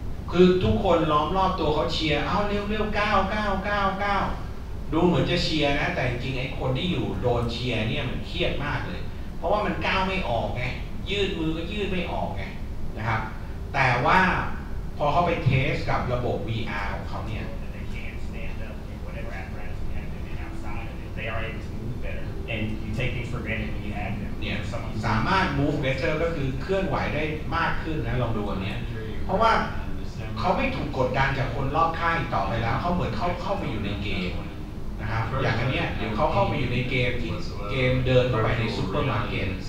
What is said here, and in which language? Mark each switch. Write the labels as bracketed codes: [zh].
[th] คือทุกคนล้อมรอบตัวเขาเชียร์เอ้าเร็วๆก้าวก้าวก้าวก้าวดูเหมือนจะเชียร์นะแต่จริงๆไอ้คนที่อยู่โดนเชียร์เนี่ยมันเครียดมากเลยเพราะว่ามันก้าวไม่ออกไงยืดมือก็ยืดไม่ออกไงนะครับแต่ว่าพอเขาไปเทสกับระบบ VR ของเขาเนี่ย [en] they can't stand up in whatever apparatus they have been outside of it they are able to move better and you take things for granted when you have them [th] เนี่ยสามารถ [en] move better [th] ก็คือเคลื่อนไหวได้มากขึ้นนะลองดูอันเนี้ยเพราะว่าเขาไม่ถูกกดดันจากคนรอบข้างต่อไปแล้วเขาเหมือนเข้าไปอยู่ในเกมนะครับอย่างเนี้ยเดี๋ยวเขาเข้าไปอยู่ในเกมเดินเข้าไปในซูเปอร์มาร์เก็ต